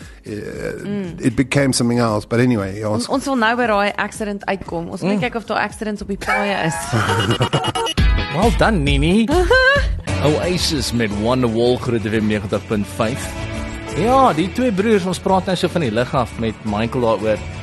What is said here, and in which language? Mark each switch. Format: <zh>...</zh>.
<en>It became something else, but anyway,</en> <af>ons wil nou by daai accident uitkom. Ons wil kyk of daar accidents op die paaie is.</af> <en>Well done, Nini.</en> <af>Oasis met Wonderwall, groot FM 90.5. Ja, die twee broers, ons praat nou so van die lig af met Michael daaroor.</af>